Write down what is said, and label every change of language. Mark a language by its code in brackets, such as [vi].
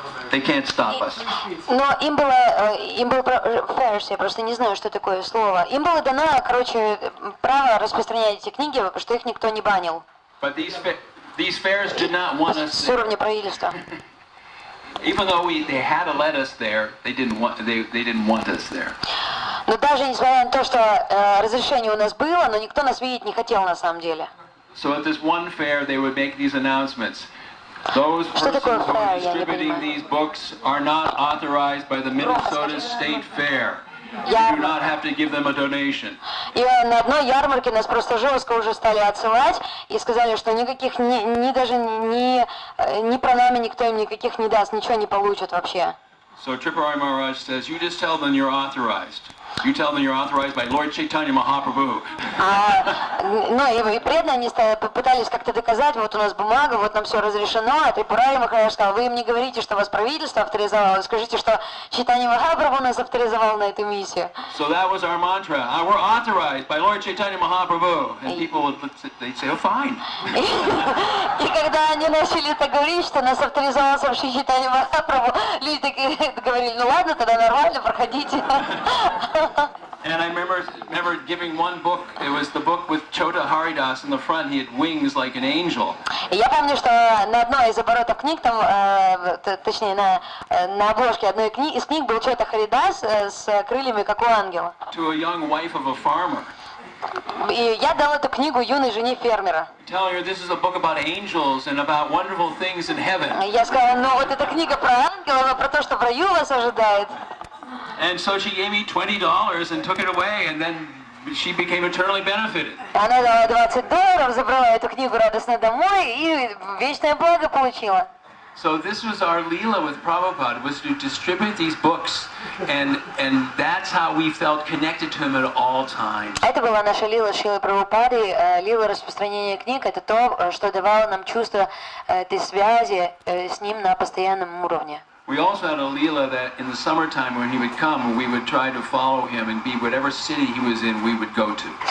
[en] They can't stop us. [ru] Но им было fairs, я просто не знаю, что такое слово. Им было дано, короче, право распространять эти книги, что их никто не банил. [en] But these fairs did not want us. [ru] С уровня правительства. [en] Even though they had to let us there, they didn't want us there. [ru] Но даже несмотря на то, что разрешение у нас было, но никто нас видеть не хотел на самом деле. [en] So at this one fair, they would make these announcements. Those persons who are distributing these books are not authorized by the Minnesota State Fair. You do not have to give them a donation. [ru] И на одной ярмарке нас просто жестко уже стали отсылать и сказали, что никаких ни даже ни про нами никто им никаких не даст, ничего не получат вообще. [en] So Tripurari Maharaj says, you just tell them you're authorized. You tell them you're authorized by Lord Chaitanya Mahaprabhu. [ru] Ну и преданные они попытались как-то доказать, вот у нас бумага, вот нам все разрешено, а Трипурари Махарадж сказал, вы им не говорите, что вас правительство авторизовало, скажите, что Чайтанья Махапрабху нас авторизовал на эту миссию. [en] So that was our mantra. We're authorized by Lord Chaitanya Mahaprabhu. And people would say, oh, fine. [ru] И когда они начали это говорить, что нас авторизовал сам Чайтанья Махапрабху, люди такие говорили, ну ладно, тогда нормально, проходите. [en] And I remember giving one book. It was the book with Chota Haridas in the front. He had wings like an angel. [ru] Я помню, что на одной из оборотов книг, там, точнее, на обложке одной из книг был Чота Харидас с крыльями, как у ангела. [en] To a young wife of a farmer. [ru] И я дал эту книгу юной жене фермера. [en] Telling her this is a book about angels and about wonderful things in heaven. [ru] Я сказал, ну вот эта книга про ангелов, про то, что в раю вас ожидает. [en] And so she gave me $20 and took it away, and then she became eternally benefited. [ru] Она дала $20, забрала эту книгу радостно домой и вечное благо получила. [en] So this was our Leela with Prabhupada, was to distribute these books, and that's how we felt connected to him at all times. [ru] Это была наша Лила Шилы Прабхупады, Лила распространения книг, это то, что давало нам чувство этой связи с ним на постоянном уровне. [en] We also had a Leela that in the summertime when he would come, we would try to follow him and be whatever city he was in, we would go to.